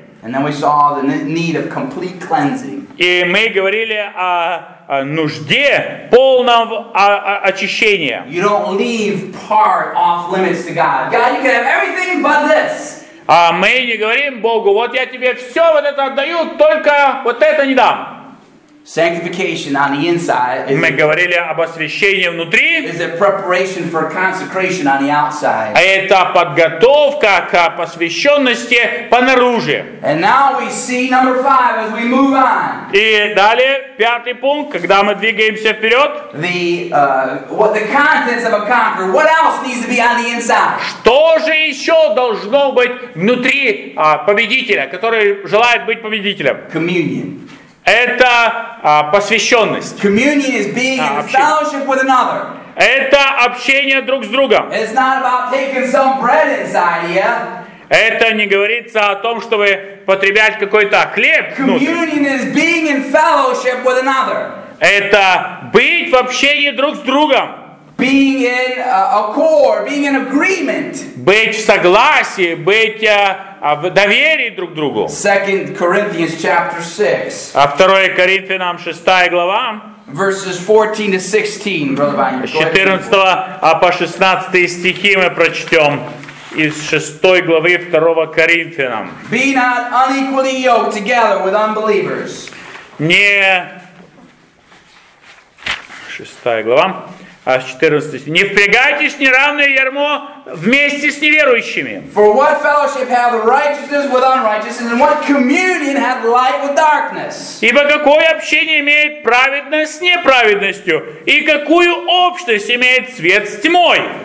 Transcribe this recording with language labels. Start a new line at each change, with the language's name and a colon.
English: And then we saw the need of complete cleansing.
Russian: И мы говорили о нужде полном очищении.
English: You don't leave part off limits to God. God, you can have everything but this.
Russian: А мы не говорим Богу: вот я тебе все вот это отдаю, только вот это не дам.
English: Sanctification on the inside.
Russian: Мы говорили об освящении внутри.
English: Is a preparation for consecration on the outside.
Russian: А это подготовка к посвященности понаружи.
English: And now we see number five as we move on.
Russian: И далее пятый пункт, когда мы двигаемся вперед.
English: What the contents of a conqueror? What else needs to be on the inside?
Russian: Что же еще должно быть внутри победителя, который желает быть победителем?
English: Communion.
Russian: Это посвященность.
English: Communion is being in fellowship with another.
Russian: Это общение друг с другом.
English: It's not about taking some bread inside you.
Russian: Это не говорится о том, чтобы потреблять какой-то хлеб.
English: Communion is being in fellowship with another.
Russian: Это быть в общении друг с другом.
English: Being in accord, being in agreement.
Russian: Быть в согласии, быть в доверии друг другу.
English: 2 Corinthians chapter 6.
Russian: А 2 Коринфянам 6 глава.
English: Verses 14 to 16, brother Vanya.
Russian: 14 по 16 стихи мы прочтем из 6 главы 2 Коринфянам.
English: Be not unequally yoked together with unbelievers.
Russian: Не 6 глава. А с 14. Не впрягайтесь в неравное ярмо вместе с неверующими.
English: For what fellowship have righteousness with unrighteousness, and what communion have light with darkness?
Russian: Ибо какое общение имеет праведность с неправедностью, и какую общность имеет свет с тьмой?